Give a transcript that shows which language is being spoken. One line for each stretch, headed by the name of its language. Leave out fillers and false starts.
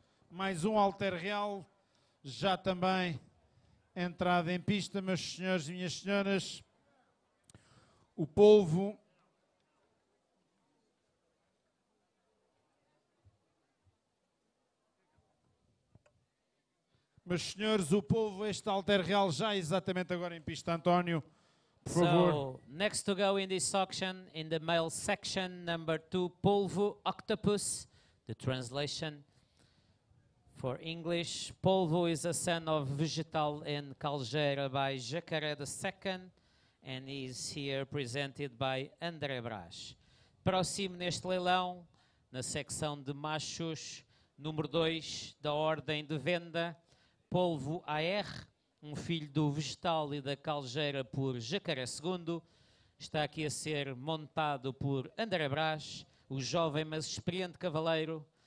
Portuguese: Mais um Alter Real, já também entrada em pista, meus senhores e minhas senhoras. O Polvo. Meus senhores, o Polvo, este Alter Real já exatamente agora em pista, António, por favor.
English: So, next to go in this auction, in the male section, number 2, Polvo Octopus, the translation for English. Polvo is a son of Vegetal and Caljeira by Jacaré II, and is here presented by André Brás.
Portuguese: Próximo neste leilão, na secção de machos, número 2, da ordem de venda, Polvo AR, um filho do Vegetal e da Caljeira por Jacaré II, está aqui a ser montado por André Brás, o jovem mas experiente cavaleiro